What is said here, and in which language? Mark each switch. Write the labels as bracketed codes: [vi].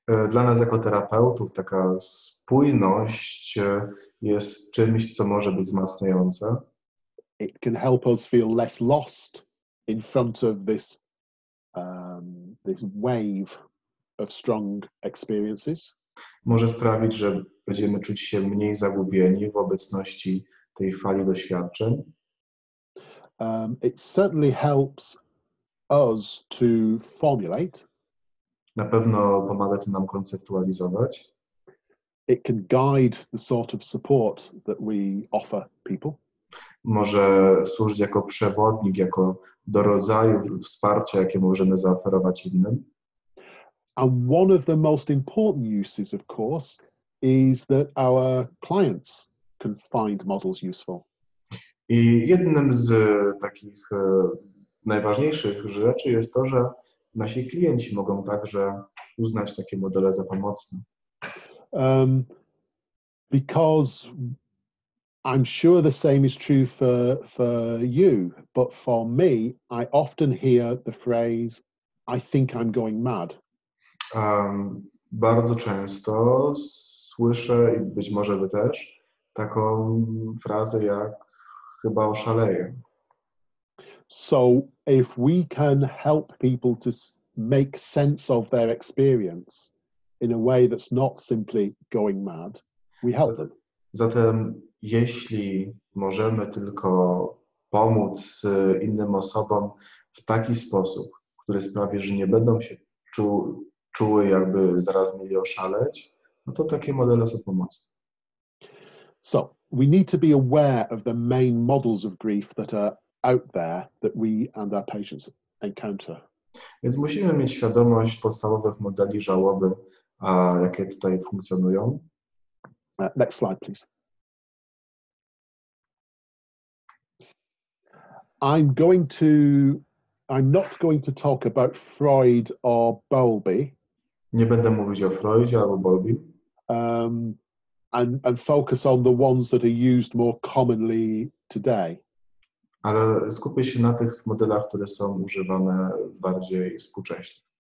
[pl] Dla nas jako terapeutów taka spójność jest czymś, co może być wzmacniające. [en] It can help us feel less lost in front of this this wave of strong experiences. [pl] Może sprawić, że będziemy czuć się mniej zagubieni w obecności tej fali doświadczeń. [en] It certainly helps us to formulate. [pl] Na pewno pomaga to nam konceptualizować. [en] It can guide the sort of support that we offer people. [pl] Może służyć jako przewodnik, jako do rodzaju wsparcia, jakie możemy zaoferować innym. [en] And one of the most important uses, of course, is that our clients can find models useful. [pl] I jednym z takich najważniejszych rzeczy jest to, że nasi klienci mogą także uznać takie modele za pomocne. [en] Because I'm sure the same is true for you, but for me, I often hear the phrase, I think I'm going mad. [pl] Bardzo często słyszę, i być może wy też, taką frazę jak chyba oszaleję. [en] So if we can help people to make sense of their experience in a way that's not simply going mad, we help them. [pl] Zatem jeśli możemy tylko pomóc innym osobom w taki sposób, który sprawi, że nie będą się czuły, jakby zaraz mieli oszaleć, no to takie modele są pomocne. [en] So, we need to be aware of the main models of grief that are out there that we and our patients encounter. [pl] Więc musimy mieć świadomość podstawowych modeli żałoby, jakie tutaj funkcjonują. [en] Next slide, please. I'm not going to talk about Freud or Bowlby. [pl] Nie będę mówić o Freudzie albo Bowlby. [en] And focus on the ones that are used more commonly today. [pl] Ale skupię się na tych modelach, które są używane bardziej współcześnie.